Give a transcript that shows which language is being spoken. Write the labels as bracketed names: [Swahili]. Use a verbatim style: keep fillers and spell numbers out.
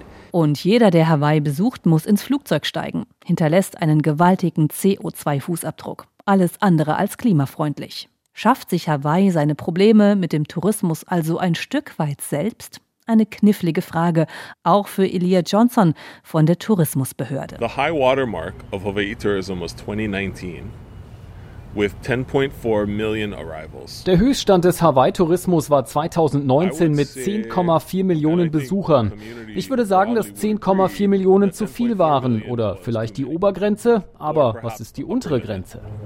[German] Und jeder, der Hawaii besucht, muss ins Flugzeug steigen, hinterlässt einen gewaltigen C O zwei Fußabdruck. Alles andere als klimafreundlich. Schafft sich Hawaii seine Probleme mit dem Tourismus also ein Stück weit selbst? Eine knifflige Frage, auch für Elia Johnson von der Tourismusbehörde. [English] The high water mark of Hawaii tourism was twenty nineteen. [German] Der Höchststand des Hawaii-Tourismus war zweitausendneunzehn mit zehn Komma vier Millionen Besuchern. Ich würde sagen, dass zehn Komma vier Millionen zu viel waren oder vielleicht die Obergrenze, aber was ist die untere Grenze?